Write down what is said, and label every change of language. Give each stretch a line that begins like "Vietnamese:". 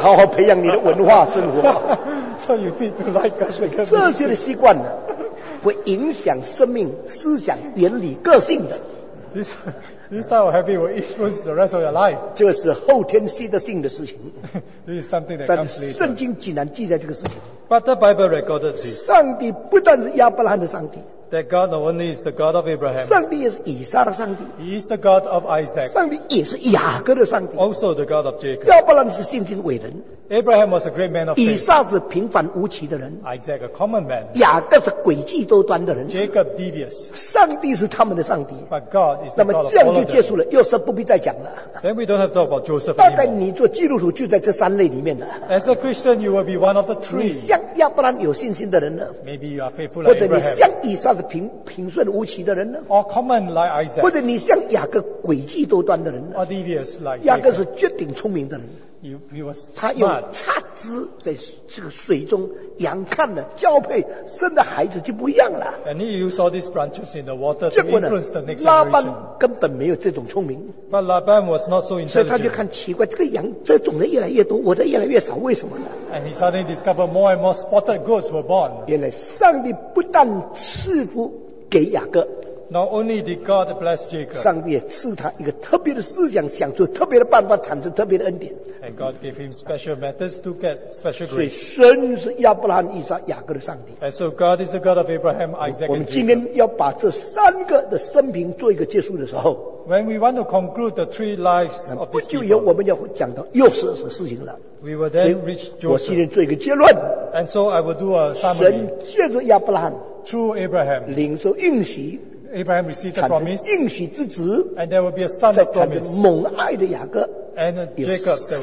Chinese: 所以你们好好培养你的文化生活。
English: So you need to like us.
Chinese: 这些的习惯呢, 会影响生命、思想、原理、个性的。
English: This type of habit will influence the rest of your life.
Chinese: 这是后天习得性的事情。
English: This is something that comes later.
Chinese: 圣经竟然记载这个事情。
English: But the Bible recorded this.
Chinese: 上帝不但是亚伯拉罕的上帝,
English: that God not only is the God of Abraham,
Chinese: 上帝也是以撒的上帝,
English: He is the God of Isaac,
Chinese: 上帝也是雅各的上帝,
English: also the God of Jacob.
Chinese: 亚伯兰是信心伟人,
English: Abraham was a great man of faith,
Chinese: 以撒是平凡无奇的人,
English: Isaac a common man,
Chinese: 雅各是诡计多端的人,
English: Jacob devious,
Chinese: 上帝是他们的上帝,
English: but God is the God of all.
Chinese: 那么这样就结束了, 又是不必再讲了。
English: Then we don't have to talk about Joseph anymore.
Chinese: 大概你做基督徒就在这三类里面了。
English: As a Christian, you will be one of the three.
Chinese: 你像亚伯兰有信心的人呢,
English: maybe you are faithful like Abraham,
Chinese: 或者你像以撒 平顺无奇的人呢,
English: or common like Isaac,
Chinese: 或者你像雅各诡计多端的人呢,
English: or devious like
Chinese: 雅各是绝顶聪明的人,
English: he was smart.
Chinese: 他用插枝在这个水中仰看的交配生的孩子就不一样了,
English: and he used all these branches in the water to influence the next generation.
Chinese: 拉班根本没有这种聪明,
English: but Laban was not so intelligent.
Chinese: 所以他就看奇怪, 这个羊这种的越来越多, 我的越来越少, 为什么呢?
English: And he suddenly discovered more and more spotted goats were born.
Chinese: 原来上帝不但赐福给雅各,
English: not only did God bless Jacob,
Chinese: 上帝也赐他一个特别的思想, 想出特别的办法, 产生特别的恩典,
English: and God gave him special methods to get special grace.
Chinese: 所以神是亚伯兰以撒雅各的上帝,
English: and so God is the God of Abraham, Isaac,
Chinese: 我们今天要把这三个的生平做一个结束的时候,
English: when we want to conclude the three lives of this people,
Chinese: 不久以后我们要讲到约瑟的事情了,
English: we will then reach Joseph.
Chinese: 我今天做一个结论,
English: and so I will do a summary.
Chinese: 神借着亚伯兰,
English: through Abraham,
Chinese: 领受应许,
English: Abraham received the promise,
Chinese: 产生应许之子,
English: and there will be a son of promise, and a Jacob that